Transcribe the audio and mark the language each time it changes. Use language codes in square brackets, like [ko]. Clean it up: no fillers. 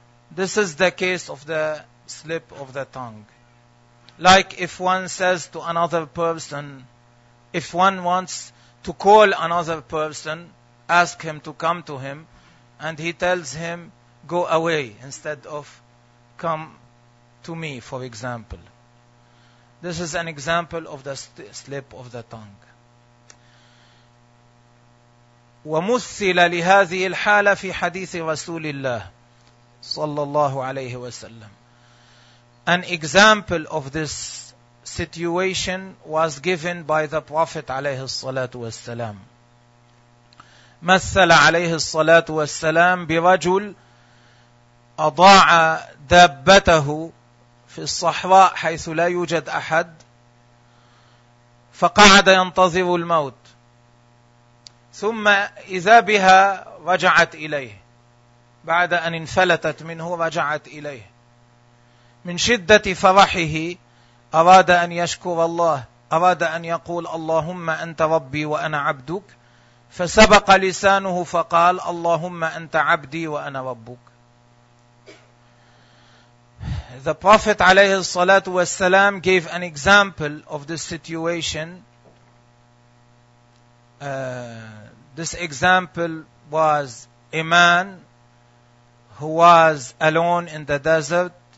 [en] This is the case of the slip of the tongue. Like if one says to another person, if one wants to call another person, ask him to come to him, and he tells him, go away, instead of come to me, for example. This is an example of the slip of the tongue. [ar] ومثل لهذه الحالة في حديث رسول الله صلى الله عليه وسلم. [en] An example of this situation was given by the Prophet [ar] عليه الصلاة والسلام. مثل عليه الصلاة والسلام برجل أضاع دابته في الصحراء حيث لا يوجد أحد فقعد ينتظر الموت. ثم إذا بها رجعت إليه بعد أن انفلتت منه رجعت إليه من شدة فرحه أراد أن يشكر الله أراد أن يقول اللهم أنت ربي وأنا عبدك، فسبق لسانه فقال اللهم أنت عبدي وأنا ربك. [en] The Prophet [ar] عليه الصلاة والسلام [en] gave an example of this situation. This example was a man who was alone in the desert.